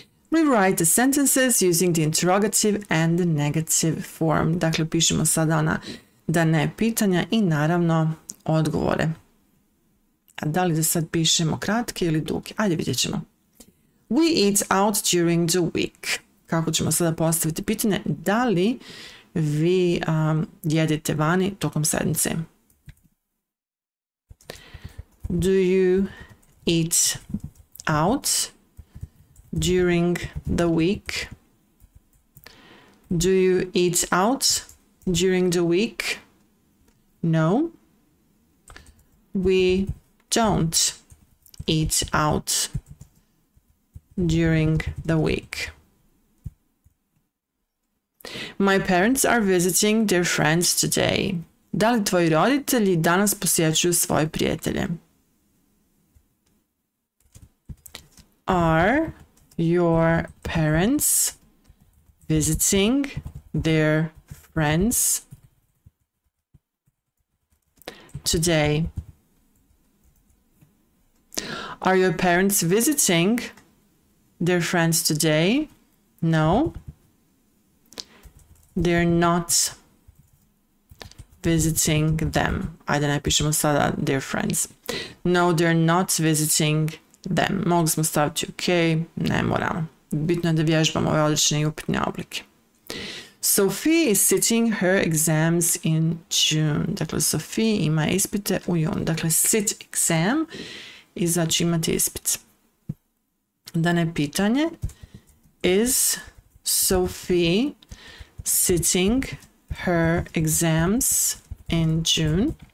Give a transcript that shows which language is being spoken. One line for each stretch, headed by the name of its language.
English: Rewrite the sentences using the interrogative and the negative form.
Bosnian: Dakle, pišemo sada na da ne pitanja i naravno odgovore. A da li da sad pišemo kratke ili duge? Ajde, vidjet ćemo.
English: We eat out during the week.
Bosnian: Kako ćemo sada postaviti pitanje? Da li vi jedete vani tokom sedmice?
English: Do you eat out during the week? Do you eat out during the week? No, we don't eat out during the week. My parents are visiting their friends today.
Bosnian: Da li tvoji roditelji danas posjećuju svoje prijatelje?
English: Are your parents visiting their friends today? Are your parents visiting their friends today? No, they're not visiting them.
Bosnian: Ajde, napišemo sada
English: their friends. No, they're not visiting them.
Bosnian: Mogli smo staviti ok, ne moramo. Bitno je da vježbamo ove odlične i upitne oblike.
English: Sophie is sitting her exams in June.
Bosnian: Dakle, Sophie ima ispite u junu. Dakle,
English: sit exam
Bosnian: i znači imati ispit. Dane pitanje.
English: Is Sophie sitting her exams in June?